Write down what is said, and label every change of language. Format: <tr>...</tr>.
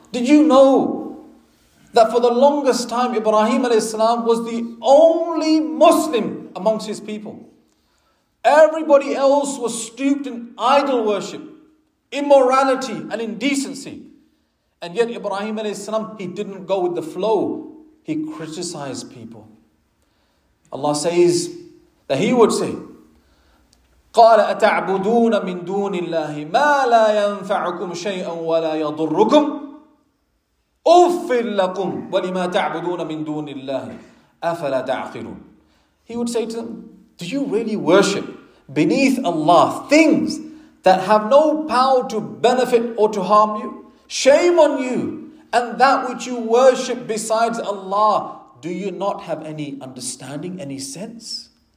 <en>Did you know that for the longest time, Ibrahim alayhi salam was the only Muslim amongst his people? Everybody else was steeped in idol worship, immorality and indecency. And yet Ibrahim alayhi salam, he didn't go with the flow. He criticized people. Allah says that he would say,</en> <ar>قَالَ أَتَعْبُدُونَ مِن دُونِ اللَّهِ مَا لَا يَنْفَعُكُمْ شَيْئًا وَلَا يَضُرُّكُمْ أُفِّلْ لَكُمْ وَلِمَا تَعْبُدُونَ مِن دُونِ اللَّهِ أَفَلَا تَعْقِلُونَ.</ar> <en>He would say to them, do you really worship beneath Allah things that have no power to benefit or to harm you? Shame on you. And that which you worship besides Allah, do you not have any understanding, any sense?</en>